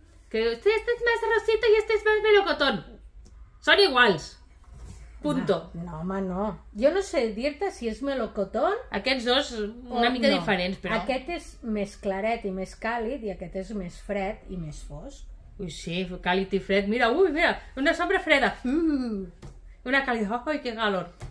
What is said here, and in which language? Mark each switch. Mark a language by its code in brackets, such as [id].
[es] Que este es más rosita y este es más melocotón. [ca] Són iguals. [es] Punto. [ca] No, home, no. Jo no sé dir-te si és melocotón... Aquests dos una mica no. Diferents, però... Aquest és més claret i més càlid i aquest és més fred i més fosc. Ui, sí, càlid i fred. Mira, ui, mira, una sombra freda. [es] Una calidad, ¡ay, qué calor!